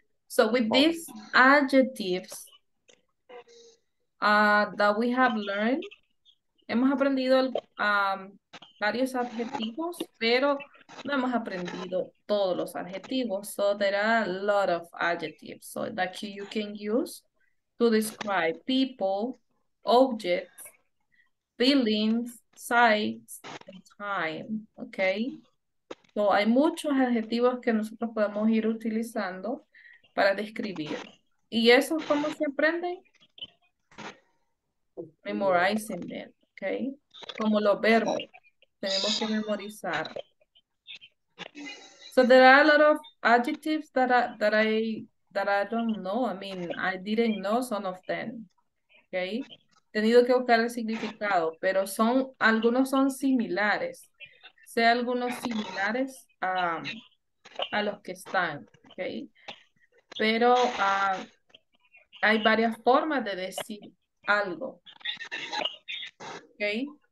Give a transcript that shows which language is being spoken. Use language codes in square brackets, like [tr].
[en] So with these adjectives that we have learned, [es] hemos aprendido varios adjetivos, pero no hemos aprendido todos los adjetivos. [en] So there are a lot of adjectives so that you can use to describe people, objects, feelings, sights, and time, okay? [es] So, hay muchos adjetivos que nosotros podemos ir utilizando para describir. ¿Y eso cómo se aprende? [en] Memorizing them, [es] okay? Como los verbos, tenemos que memorizar. [en] So, there are a lot of adjectives that I don't know. I mean, I didn't know some of them, okay? [es] He tenido que buscar el significado, pero son algunos son similares. Sé algunos similares a los que están, okay? Pero hay varias formas de decir algo, okay?